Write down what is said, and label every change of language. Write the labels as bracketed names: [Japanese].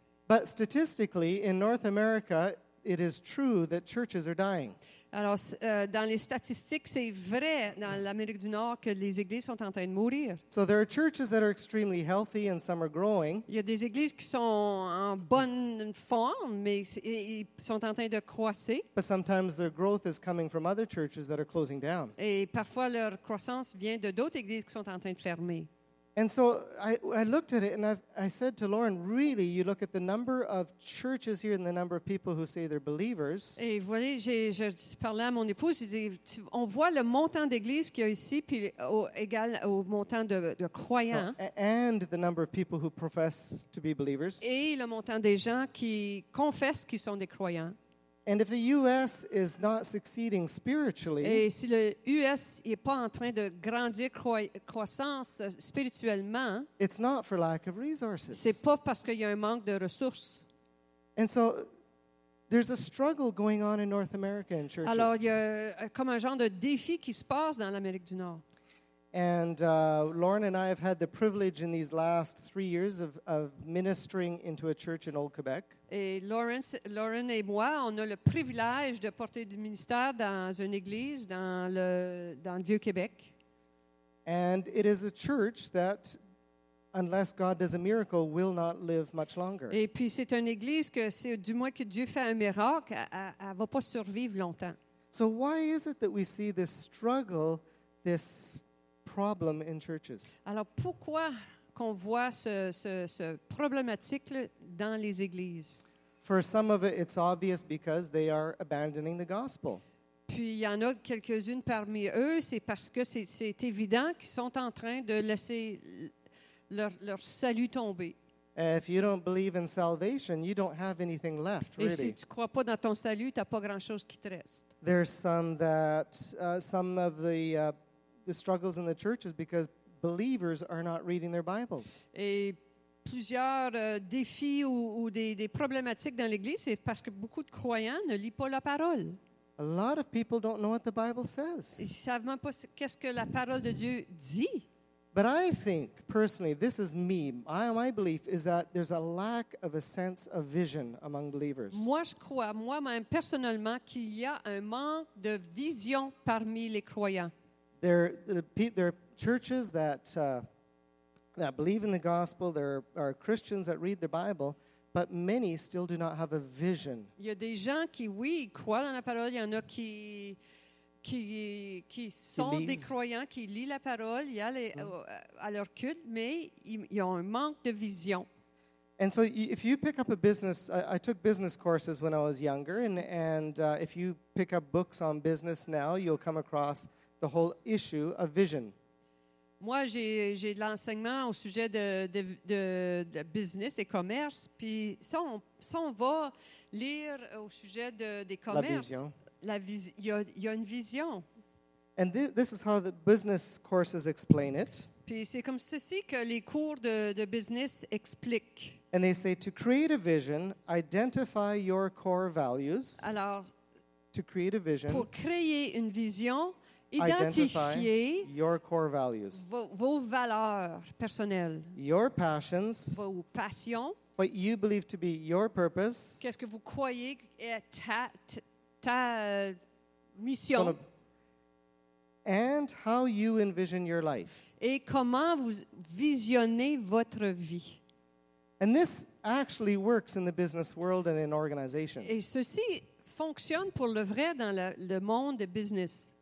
[English] But statistically, in North America, it is true that churches are dying. [French] Alors, dans les statistiques, c'est vrai dans l'Amérique du Nord que les églises sont en train de mourir. [English] So there are churches that are extremely healthy and some are growing. [French] Il y a des églises qui sont en bonne forme, mais ils sont en train de croître. [English] But sometimes their growth is coming from other churches that are closing down. [French] Et parfois leur croissance vient de d'autres églises qui sont en train de fermer. [English] And so I looked at it and I said to Lauren, really, you look at the number of churches here and the number of people who say they're believers. [French] Et voyez, je parlais à mon épouse, je disais, on voit le montant d'églises qu'il y a ici, puis égal au montant de croyants. [English] And the number of people who profess to be believers. [French] Et le montant des gens qui confessent qu'ils sont des croyants. [English] And if the U.S. is not succeeding spiritually, [French] et si le U.S. est pas en train de grandir croissance spirituellement, [English] it's not for lack of resources. [French] C'est pas parce qu'il y a un manque de ressources. [English] And so, there's a struggle going on in North America in churches. [French] Alors, il y a comme un genre de défi qui se passe dans l'Amérique du Nord. [English] And Lauren and I have had the privilege in these last 3 years of ministering into a church in Old Quebec. [French] Et Lauren et moi, on a le privilège de porter du ministère dans une église dans le Vieux-Québec. [English] And it is a church that, unless God does a miracle, will not live much longer. [French] Et puis c'est une église que c'est du moins que Dieu fait un miracle, elle ne va pas survivre longtemps. [English] So why is it that we see this struggle, this problem in churches? [French] Alors pourquoi qu'on voit ce problématique dans les églises? [English] For some of it, it's obvious because they are abandoning the gospel. [French] Puis il y en a quelques-unes parmi eux, c'est parce que c'est évident qu'ils sont en train de laisser leur salut tomber. [English] If you don't believe in salvation, you don't have anything left, really. [French] Et si tu crois pas dans ton salut, t'as pas grand-chose qui te reste. [English] There's some that some of the the struggles in the church is because believers are not reading their Bibles. [French] Et plusieurs défis ou des problématiques dans l'église, c'est parce que beaucoup de croyants ne lisent pas la parole. [English] A lot of people don't know what the Bible says. [French] Ils savent même pas qu'est-ce que la parole de Dieu dit. [English] But I think, personally, this is me. My belief is that there's a lack of a sense of vision among believers. [French] Moi, je crois, moi-même, personnellement, qu'il y a un manque de vision parmi les croyants. [English] There are churches that believe in the gospel. There are Christians that read the Bible, but many still do not have a vision. [French] Il y a des gens qui, oui, croient dans la parole. Il y en a qui sont des croyants, qui lisent la parole, il y a à leur culte, mais ils ont un manque de vision. [English] And so if you pick up a business, I took business courses when I was younger, and if you pick up books on business now, you'll come across the whole issue of vision. [French] Moi, j'ai de l'enseignement au sujet de business et commerce. Puis, si on va lire au sujet des commerces, il y a une vision. [English] And this is how the business courses explain it. [French] Puis, c'est comme ceci que les cours de business expliquent. [English] And they say, to create a vision, identify your core values. [French] Alors, [English] to create a vision, [French] pour créer une vision, [English] identifier your core values, [French] vos valeurs personnelles, [English] your passions, [French] vos passions, [English] what you believe to be your purpose, [French] qu'est-ce que vous croyez être ta mission, [English] and how you envision your life, [French] et comment vous visionnez votre vie. [English] And this actually works in the business world and in organizations. [French] Et ceci fonctionne pour le vrai dans le monde de business.